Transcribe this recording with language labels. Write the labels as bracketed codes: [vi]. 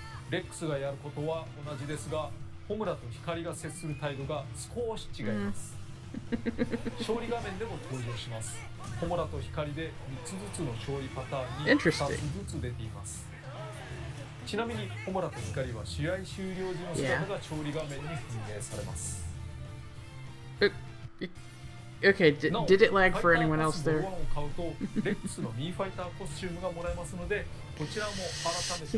[ja] レックスがやることは同じですが、ホムラと光が接する態度が少し違います。勝利画面でも登場します。ホムラと光で3つずつの勝利パターンに2つずつ出ています。ちなみにホムラと光は試合終了時の姿が勝利画面に反映されます。 [en] Okay, did it lag for anyone else there? [ja] ファイターパスボールワンを買うとレックスのミーファイターコスチュームがもらえますので、こちらも改めて